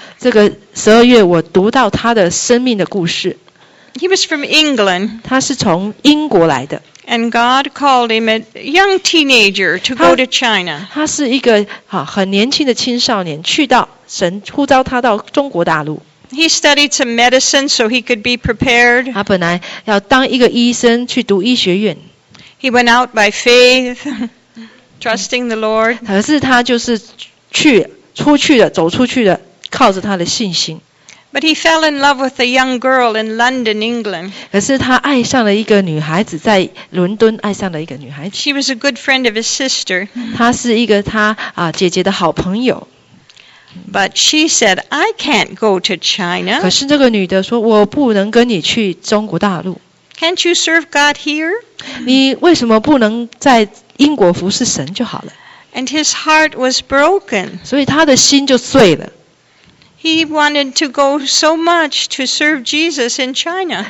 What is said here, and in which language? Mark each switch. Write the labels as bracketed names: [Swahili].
[Chinese] 这个十二月我读到他的生命的故事。 [English] He was from England. [Chinese] 他是从英国来的。 [English] And God called him a young teenager to go to China. [Chinese] 他是一个很年轻的青少年去到。神呼召他到中国大陆。 [English] He studied some medicine so he could be prepared. [Chinese] 他本来要当一个医生去读医学院。 [English] He went out by faith, trusting the Lord. [Chinese] 可是他就是去出去的，走出去的，靠着他的信心。 [English] But he fell in love with a young girl in London, England. [Chinese] 可是他爱上了一个女孩子，在伦敦爱上了一个女孩子。 [English] She was a good friend of his sister. [Chinese] 她是一个他姐姐的好朋友。 [English] But she said, "I can't go to China." [Chinese] 可是这个女的说，我不能跟你去中国大陆。 [English] Can't you serve God here? [Chinese] 你为什么不能在英国服侍神就好了？ [English] And his heart was broken. [Chinese] 所以他的心就碎了。 [English] He wanted to go so much to serve Jesus in China.